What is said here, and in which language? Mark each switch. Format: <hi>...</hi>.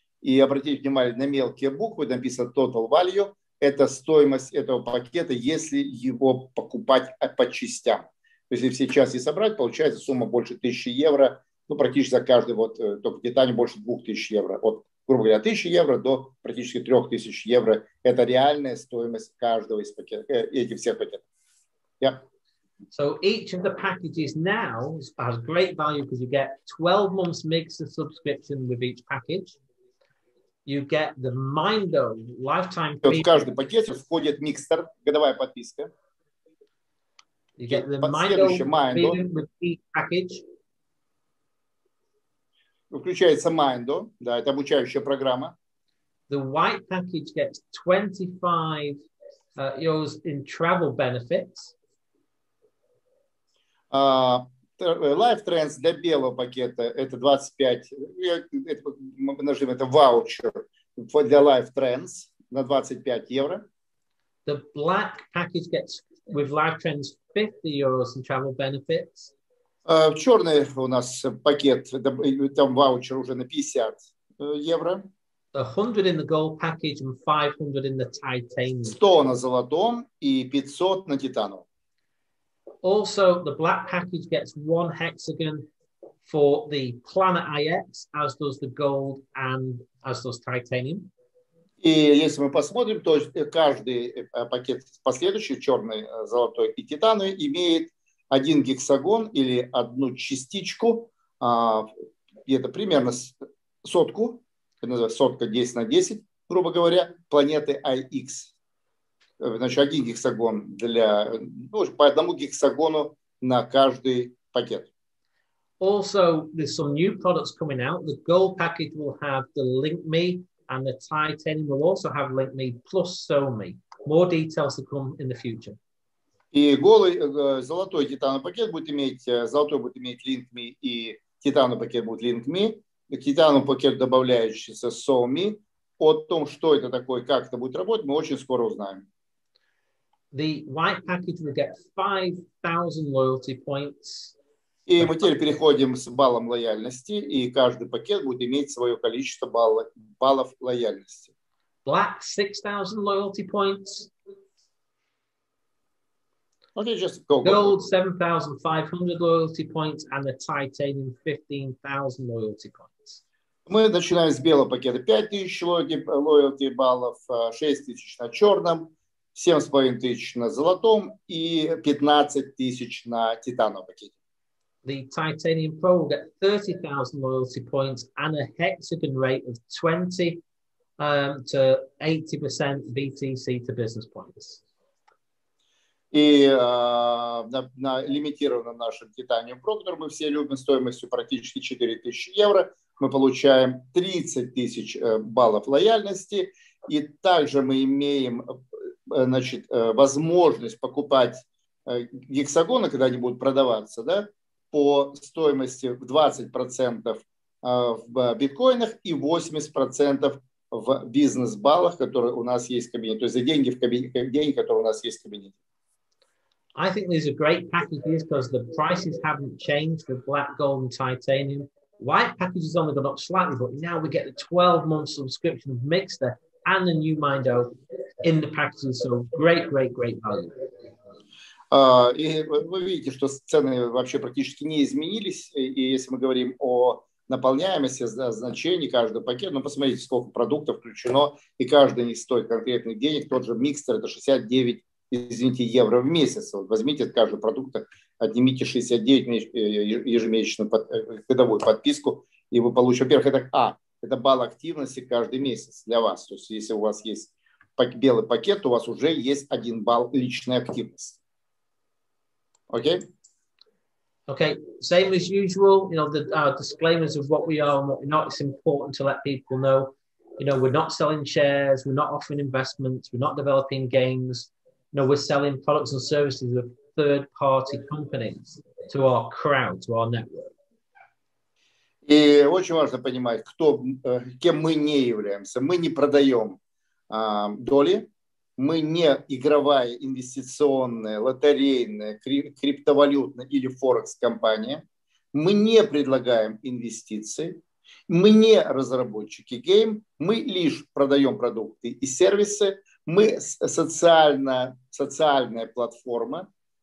<ru>И обратите внимание на мелкие буквы, написано Total Value, это стоимость этого пакета, если его покупать по частям. То есть все части собрать, получается сумма больше 1000 евро, ну, практически за каждый вот только детали больше 2000 евро. От, грубо говоря, 1000 евро до практически 3000 евро. Это реальная стоимость каждого из пакетов, этих всех пакетов.</ru> <en>Yeah. So each of the packages now has great value because you get 12 months mix of subscription with each package. You get the Mindo lifetime premium.</en> <ru>В каждый пакет входит микстер, годовая подписка.</ru> <en>You get the Mindo premium with each package.</en> <ru>Включается Mindo, да, это обучающая программа.</ru> <en>The white package gets 25 euros in travel benefits.</en> <ru>Life Trends для белого пакета это 25, мы нажимаем, это ваучер для Life Trends на 25 евро.</ru> <en>The black package gets with Life Trends 50 euros in travel benefits.</en> <ru>Черный у нас пакет, там ваучер уже на 50 евро.</ru> <en>100 in the gold package and 500 in the titanium.</en> <ru>100 на золотом и 500 на титановом.</ru> <en>Also, the black package gets one hexagon for the Planet IX, as does the gold and as does titanium.</en> <ru>И если мы посмотрим, то есть каждый пакет последующий, черный, золотой и титановый, имеет один гексагон или одну частичку, это примерно сотку, сотка 10 на 10, грубо говоря, планеты IX. Значит, один гексагон для, ну, по одному гексагону на каждый пакет.</ru> <en>Also, there's some new products coming out. The gold package will have the LinkMe and the titanium will also have LinkMe plus SoMe. More details to come in the future.</en> <ru>И голый, золотой титановый пакет будет иметь, золотой будет иметь LinkMe и титановый пакет будет LinkMe. Титановый пакет добавляющийся SoMe. О том, что это такое, как это будет работать, мы очень скоро узнаем.</ru> <en>The white package will get 5,000 loyalty points.</en> <ru>И мы теперь переходим с баллом лояльности, и каждый пакет будет иметь свое количество баллов лояльности.</ru> <en>Black 6,000 loyalty points. Okay, just go. Gold 7,500 loyalty points and the titanium 15,000 loyalty points.</en> <ru>Мы начинаем с белого пакета 5,000 loyalty баллов, 6,000 на черном. 7,5 тысяч на золотом и 15 тысяч на титановом пакете.</ru> <en>The Titanium Pro will get 30,000 loyalty points and a hexagon rate of 20 to 80% BTC to business points.</en> <ru>И на лимитированном нашем Titanium Pro, который мы все любим, стоимостью практически 4 тысячи евро, мы получаем 30 тысяч баллов лояльности, и также мы имеем, значит, возможность покупать гексагоны, когда они будут продаваться, да, по стоимости в 20% в биткоинах и 80% в бизнес-баллах, которые у нас есть в кабинете. То есть за деньги в кабинете, деньги, которые у нас есть в кабинете.</ru> <en>I think these are great packages because the prices haven't changed with black, gold and titanium. White packages only gone up slightly, but now we get the 12-month subscription of Mixer and the new Mindo in the packages, so great, great, great value.</en> <ru>И вы видите, что цены вообще практически не изменились. И если мы говорим о наполняемости, значений каждого пакета. Ну, посмотрите, сколько продуктов включено, и каждый не стоит конкретных денег. Тот же микстер – это 69, извините, евро в месяц. Вот возьмите от каждого продукта, отнимите 69 ежемесячную годовую подписку, и вы получите, во-первых, это балл активности каждый месяц для вас. То есть, если у вас есть белый пакет, то у вас уже есть один балл личной активности. Окей?</ru> <en>Okay, same as usual, you know, the disclaimers of what we are and what we're not. It's important to let people know, you know, we're not selling shares, we're not offering investments, we're not developing games. You know, we're selling products and services of third-party companies to our crowd, to our network.</en> <ru>И очень важно понимать, кто, кем мы не являемся. Мы не продаем доли, мы не игровая, инвестиционная, лотерейная, криптовалютная или форекс-компания. Мы не предлагаем инвестиции, мы не разработчики гейм, мы лишь продаем продукты и сервисы, мы социальная платформа.</ru>